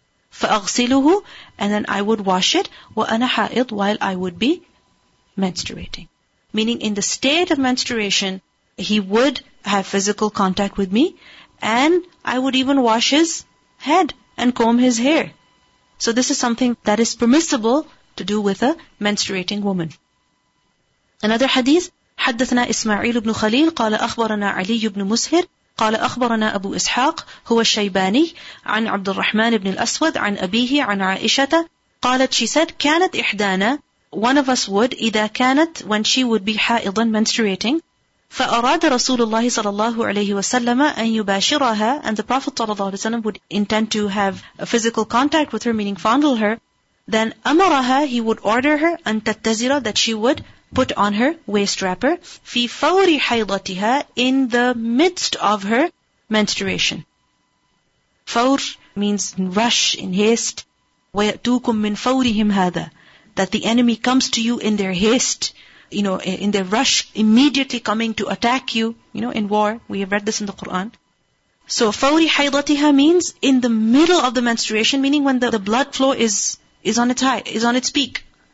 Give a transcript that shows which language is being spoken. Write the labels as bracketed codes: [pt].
[en] فأغسله, and then I would wash it, [ar] وأنا حائض, [en] while I would be menstruating. Meaning in the state of menstruation, he would have physical contact with me, and I would even wash his head and comb his hair. So this is something that is permissible to do with a menstruating woman. [ar] Another hadith, حدثنا إسماعيل بن خليل قال أخبرنا علي بن مسهر قال أخبرنا أبو إسحاق هو الشيباني عن عبد الرحمن بن الأسود عن أبيه عن عائشة قالت, [en] she said, [ar] كانت إحدانا, [en] one of us would, [ar] إذا كانت, [en] when she would be [ar] حائضا, menstruating, فأراد رسول الله صلى الله عليه وسلم أن يباشرها, [en] and the Prophet صلى الله عليه وسلم would intend to have a physical contact with her, meaning fondle her, then أمرها, he would order her, [ar] أن تتزر, [en] that she would put on her waist wrapper, [ar] في فور حيضتها, [en] in the midst of her menstruation. فور means rush, in haste. [ar] ويأتوكم من فورهم هذا, [en] that the enemy comes to you in their haste, you know, in their rush, immediately coming to attack you, you know, in war. We have read this in the Quran. So, [ar] فَوْرِ حَيْضَتِهَا [en] means in the middle of the menstruation, meaning when the blood flow is on its peak.